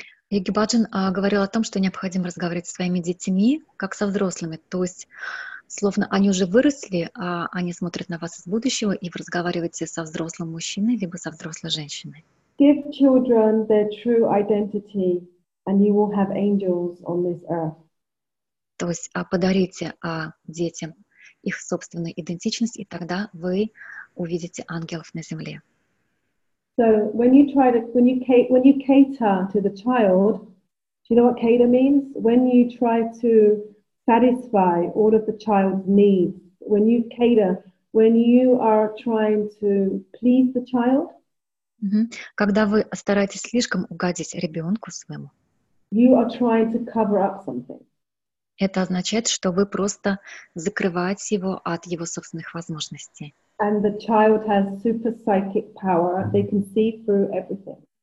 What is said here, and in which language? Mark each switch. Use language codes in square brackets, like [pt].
[ru] Йоги Бхаджан говорил о том, что необходимо разговаривать со своими детьми, как со взрослыми. То есть, словно они уже выросли, а они смотрят на вас из будущего, и вы разговариваете со взрослым мужчиной либо со взрослой женщиной. [en] Give children their true identity, and you will have angels on this earth. [ru] То есть, подарите детям их собственную идентичность, и тогда вы увидите ангелов на земле. [en] So when you try to when you cater to the child, do you know what cater means? When you try to satisfy all of the child's needs, when you cater, when you are trying to please the child, mm-hmm. [ru] Когда вы стараетесь слишком угодить ребенку своему, [en] you are trying to cover up something. [ru] Это означает, что вы просто закрываете его от его собственных возможностей. [en] And the child has super psychic power. They can see through everything.